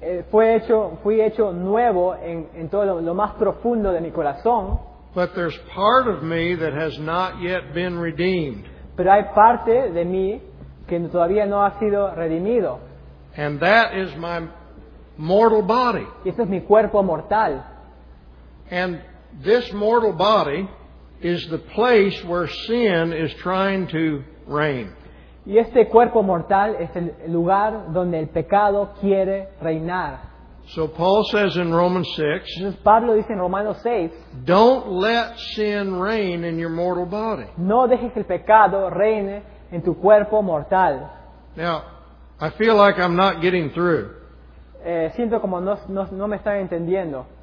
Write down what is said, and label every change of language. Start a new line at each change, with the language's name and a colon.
Spanish: Fui hecho nuevo en todo lo más profundo de mi corazón.
English: But there's part of me that has not yet been redeemed.
Spanish: Pero hay parte de mí que todavía no ha sido redimido.
English: And that is my mortal body.
Spanish: Y ese es mi cuerpo mortal.
English: And this mortal body is the place where sin is trying to reign.
Spanish: Y este cuerpo mortal es el lugar donde el pecado quiere reinar.
English: So Paul says in Romans 6,
Spanish: entonces Pablo dice en Romanos 6,
English: don't let sin reign in your mortal body.
Spanish: No dejes que el pecado reine en tu cuerpo mortal.
English: Now, I feel like I'm not getting through.
Spanish: Siento como no me están entendiendo.